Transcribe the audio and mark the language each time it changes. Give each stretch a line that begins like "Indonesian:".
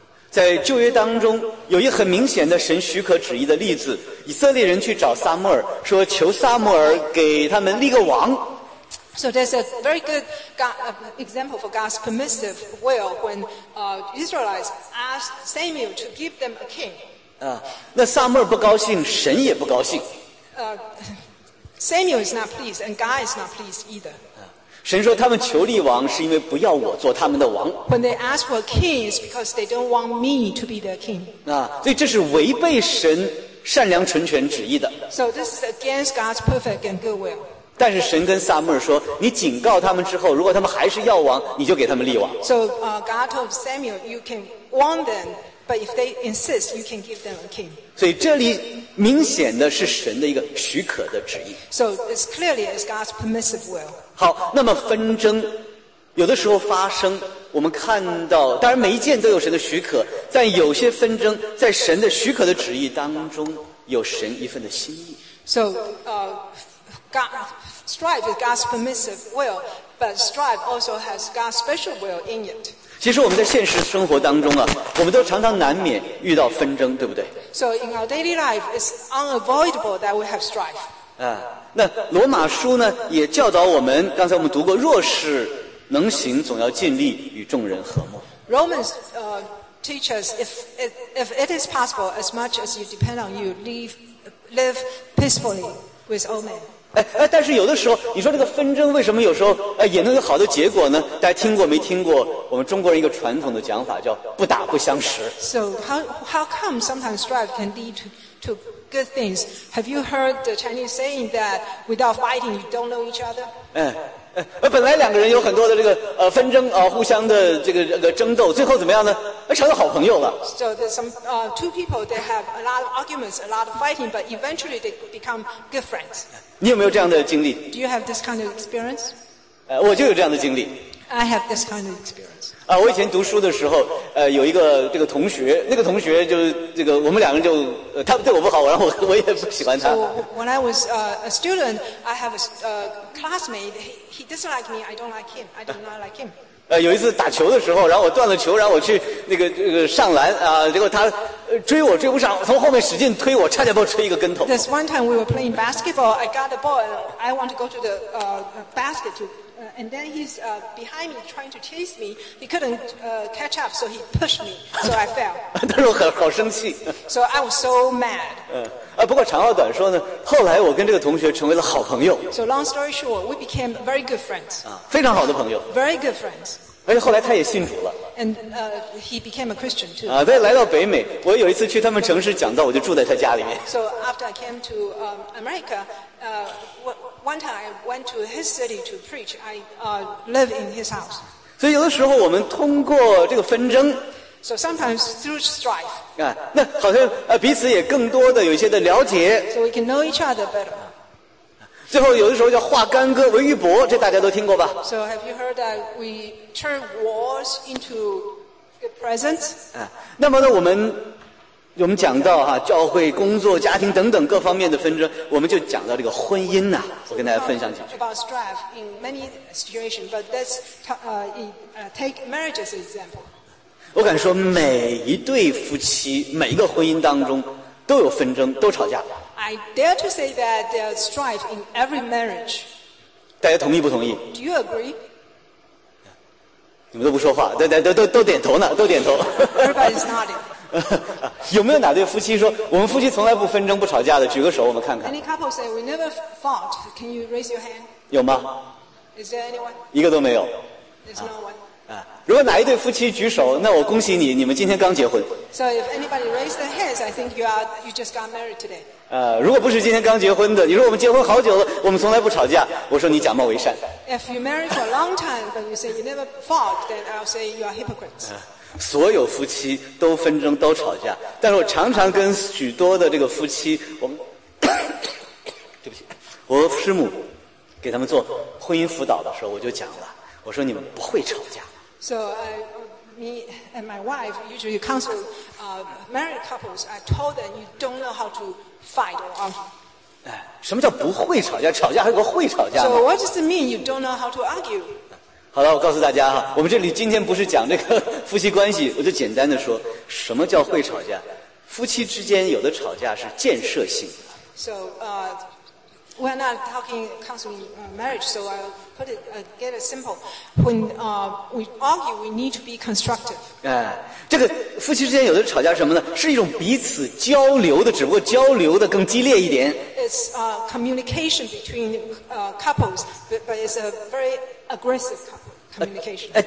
Chinese: 在旧约当中有一很明显的神许可旨意的例子以色列人去找撒母耳说求撒母耳给他们立个王
English: So there's a very good example for God's permissive will when Israelites asked Samuel to give them a king.
Chinese: 那撒母耳不高兴，神也不高兴。
English: Samuel is not pleased, and God is not pleased either.
Chinese: 神说他们求立王是因为不要我做他们的王。
English: When they ask for a king, it's because they don't want me to be their king.
Chinese: 所以这是违背神善良纯全旨意的。
English: So this is against God's perfect and good will.
Chinese: 但是神跟撒母耳说你警告他们之后如果他们还是要王你就给他们立王
English: So God told Samuel you can warn them but if they insist you can give them a king
Chinese: 所以这里明显的是神的一个许可的旨意
English: So it's clearly it's God's permissive will
Chinese: 好那么纷争有的时候发生我们看到当然每一件都有神的许可但有些纷争在神的许可的旨意当中有神一份的心意
English: So God, strive with God's permissive will, but strive also has God's special will in it.
Chinese: 其实我们在现实生活当中啊，我们都常常难免遇到纷争，对不对
English: ？So in our daily life, it's unavoidable that we have strife.
Chinese: 那罗马书呢也教导我们，刚才我们读过，若是能行，总要尽力与众人和睦。
English: Romans teaches if it is possible, as much as you depend on you, live peacefully with all men.
Chinese: 但是有的时候你说这个纷争为什么有时候也能有好的结果呢大家听过没听过我们中国人一个传统的讲法叫不打不相识
English: So how come sometimes strife can lead to good things Have you heard the Chinese saying that without fighting you don't know each other
Chinese: 本来两个人有很多的这个纷争互相的这个争斗最后怎么样呢成了好朋友了
English: So there's some two people they have a lot of arguments a lot of fighting but eventually they become good friends
Chinese: 你有没有这样的经历
English: Do you have this kind of experience?
Chinese: 我就有这样的经历
English: I have this kind of experience
Chinese: 我以前读书的时候有一个这个同学那个同学就这个我们两个人就他对我不好然后我也不喜欢他
English: So when I was a student I have a classmate he disliked me I don't like him I do not like him
Chinese: 有一次打球的时候然后我断了球然后我去那个上篮结果他追我追不上从后面使劲推我差点把我吹一个跟头
English: This one time we were playing basketball I got the ball I want to go to the basket to, and then he's behind me trying to chase me he couldn't catch up so he pushed me so I fell
Chinese: 但是我好生气
English: So I was so mad
Chinese: 不过长话短说呢后来我跟这个同学成为了好朋友
English: So long story short we became very good friends
Chinese: 非常好的朋友
English: Very good friends
Chinese: 而且后来他也信主了。
English: And he became a Christian too.
Chinese: 啊，在来到北美，我有一次去他们城市讲道，我就住在他家里面。
English: So after I came to America, one time I went to his city to preach. I live in his house.
Chinese: 所以有的时候我们通过这个纷争。
English: So sometimes through strife.
Chinese: 啊，那好像彼此也更多的有一些的了解。
English: So we can know each other better.
Chinese: 最后有的时候叫化干戈为玉帛，这大家都听过吧？
English: So have you heard that we turn wars into presents?
Chinese: 那么呢，我们讲到哈、啊，教会、工作、家庭等等各方面的纷争，我们就讲到这个婚姻呐、啊，我跟大家分享几句。
English: About strife in many situations, but let's take marriage as an example.
Chinese: 我敢说，每一对夫妻，每一个婚姻当中都有纷争，都吵架。
English: I dare to say that there is strife in every marriage.
Chinese: 大家同意不同意？
English: Do you agree?
Chinese: 你们都不说话，都点头呢，都点头。
English: Everybody's nodding.
Chinese: 有没有哪对夫妻说我们夫妻从来不纷争不吵架的？举个手，我们看看。
English: Any couple say we never fought? Can you raise your hand?
Chinese: 有吗？
English: Is there anyone?
Chinese: 一个都没有。
English: There's no one.
Chinese: 如果哪一对夫妻举手，那我恭喜你，你们今天刚结婚。
English: So if anybody raised their hands, I think you just got married today.
Chinese: 如果不是今天刚结婚的，你说我们结婚好久了，我们从来不吵架，我说你假冒为善。
English: If you married for a long time, but you say you never fought, then I'll say you are hypocrites.
Chinese: 所有夫妻都纷争都吵架，但是我常常跟许多的这个夫妻，我们对不起，我和师母给他们做婚姻辅导的时候，我就讲了，我说你们不会吵架。
English: So me and my wife usually counsel married couples. I told them you don't know how to fight or argue.
Chinese: 什么叫不会吵架？吵架还有个会吵架
English: ？So what does it mean you don't know how to argue?
Chinese: 好了，我告诉大家哈，我们这里今天不是讲这个夫妻关系，我就简单的说，什么叫会吵架？夫妻之间有的吵架是建设性的。
English: So we're not talking counseling marriage. So I'll put it get it simple. When we argue, we need to be constructive.
Chinese: 这个夫妻之间有的吵架是什么呢？是一种彼此交流的，只不过交流的更激烈一点。
English: It's communication between couples, but it's a very aggressive communication.